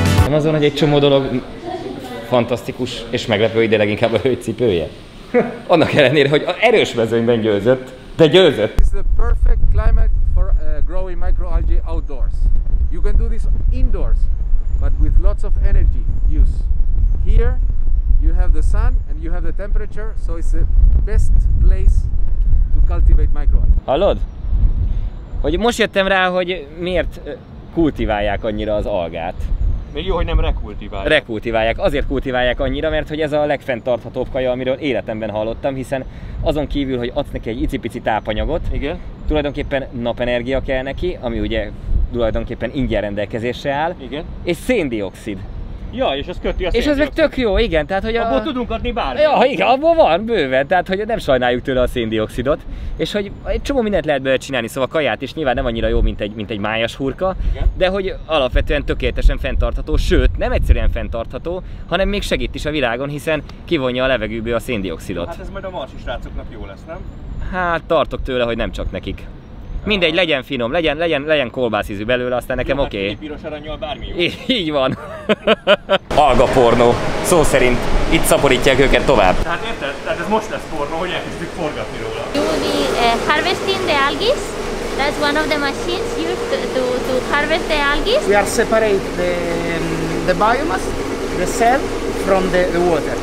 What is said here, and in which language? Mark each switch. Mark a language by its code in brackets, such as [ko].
[hu] Azon, hogy egy csomó dolog fantasztikus és meglepő, ide leginkább a hőcipője. Annak ellenére, hogy a erős mezőnyben győzött, de győzött. [en] This is the perfect climate for growing microalgae outdoors. You can do this indoors, but with lots of energy use. Here you have the sun and you have the temperature, so it's the best place to cultivate microalgae. [hu] Hallod? Hogy most jöttem rá, hogy miért kultiválják annyira az algát. Még jó, hogy nem rekultiválják. Rekultiválják. Azért kultiválják annyira, mert hogy ez a legfenntarthatóbb kaja, amiről életemben hallottam, hiszen azon kívül, hogy adsz neki egy icipici tápanyagot, igen, tulajdonképpen napenergia kell neki, ami ugye tulajdonképpen ingyen rendelkezésre áll, igen, és széndioxid. Ja, és ez köti a széndioxid. És ez meg tök jó, igen. Tehát, hogy abból tudunk adni bármi. Ja, igen, abból van, bőven. Tehát, hogy nem sajnáljuk tőle a széndioxidot. És hogy egy csomó mindent lehet belőle csinálni, szóval a kaját is nyilván nem annyira jó, mint egy májas hurka, igen, de hogy alapvetően tökéletesen fenntartható, sőt, nem egyszerűen fenntartható, hanem még segít is a világon, hiszen kivonja a levegőből a széndioxidot. Hát ez majd a marsi srácoknak jó lesz, nem? Hát tartok tőle, hogy nem csak nekik. Mindegy, legyen finom, legyen kolbászízű belőle, aztán nekem oké. [en] Okay. [hu] Piros aranyjal bármi jó. Így van. Alga pornó. Szó szerint itt szaporítják őket tovább. Tehát érted? Tehát ez most lesz pornó, hogy elkezdjük forgatni róla. [en] You will be harvesting the algis. That's one of the machines used to harvest the algis. We are separate the biomass, the cell, from the water.